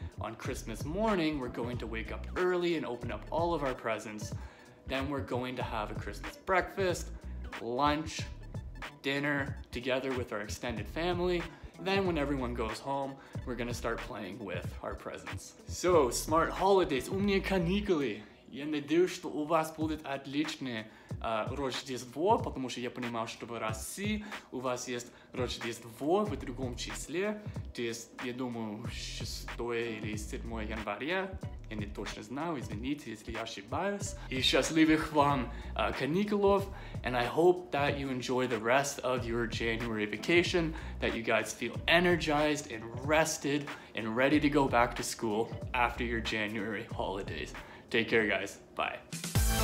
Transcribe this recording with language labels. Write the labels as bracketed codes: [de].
[en] On Christmas morning, we're going to wake up early and open up all of our presents. Then we're going to have a Christmas breakfast, lunch, dinner together with our extended family. Then when everyone goes home, we're gonna start playing with our presents. So, smart holidays, [ru] у меня каникулы. Я надеюсь, что у вас будет отличное Рождество, потому что я понимаю, что в России у вас есть Рождество в другом числе. То есть, я думаю, 6 или 7 января. Я не точно знаю, извините, если я ошибаюсь. И счастливых вам каникулов. [en] And I hope that you enjoy the rest of your January vacation, that you guys feel energized and rested and ready to go back to school after your January holidays. Take care, guys. Bye.